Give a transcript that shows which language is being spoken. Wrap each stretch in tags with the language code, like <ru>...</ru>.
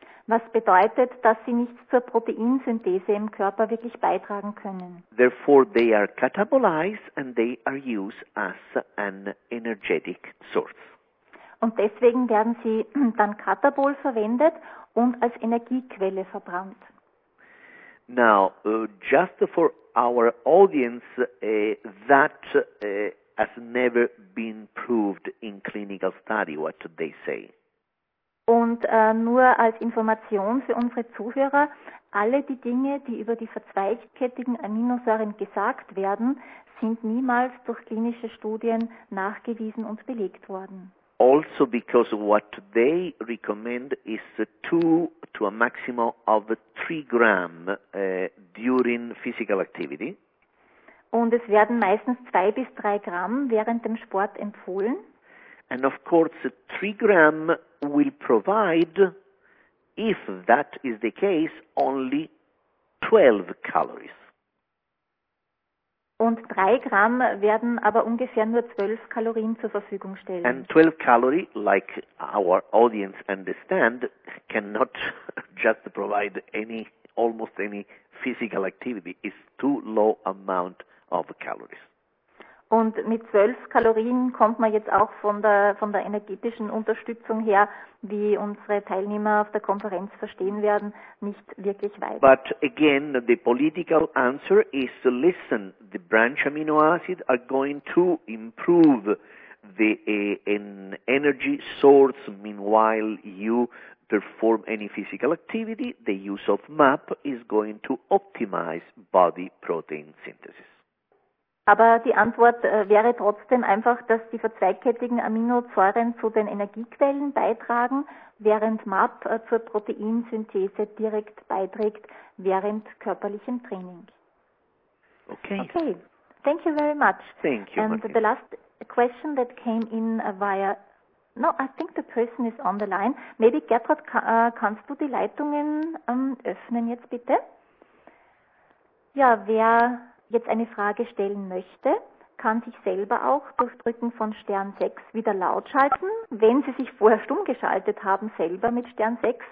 <de>Was bedeutet, dass sie nichts zur Proteinsynthese im Körper wirklich beitragen können.</de> <en>Therefore they are catabolized and they are used as an energetic source.</en> <de>Und deswegen werden sie dann katabol verwendet und als Energiequelle verbrannt.</de> <en>Now, just for our audience, that has never been proved in clinical study, what they say.</en> <de>Und nur als Information für unsere Zuhörer, alle die Dinge, die über die verzweigkettigen Aminosäuren gesagt werden, sind niemals durch klinische Studien nachgewiesen und belegt worden.</de> <en>Also because what they recommend is 2 to a maximum of 3 gram during physical activity.</en> <de>Und es werden meistens 2 bis 3 Gramm während dem Sport empfohlen.</de> <en>And of course 3 gram will provide, if that is the case, only 12 calories.</en> <de>Und 3 Gramm werden aber ungefähr nur 12 Kalorien zur Verfügung stellen.</de> <en>And 12 calories, like our audience understand, cannot just provide almost any physical activity. It's too low amount of calories.</en> <de>Und mit 12 Kalorien kommt man jetzt auch von der energetischen Unterstützung her, wie unsere Teilnehmer auf der Konferenz verstehen werden, nicht wirklich weit.</de> <en>But again, the political answer is, listen, the branch amino acids are going to improve the energy source. Meanwhile, you perform any physical activity, the use of MAP is going to optimize body protein synthesis.</en> <de>Aber die Antwort wäre trotzdem einfach, dass die verzweigkettigen Aminosäuren zu den Energiequellen beitragen, während MAP zur Proteinsynthese direkt beiträgt während körperlichem Training.</de> <en>Okay. Okay. Thank you very much. Thank you. And the last question that came in via... No, I think the person is on the line.</en> <de>Maybe Gertrud, kannst du die Leitungen öffnen jetzt bitte? Ja, wer jetzt eine Frage stellen möchte, kann sich selber auch durch Drücken von Stern 6 wieder lautschalten, wenn Sie sich vorher stumm geschaltet haben, selber mit Stern 6.</de>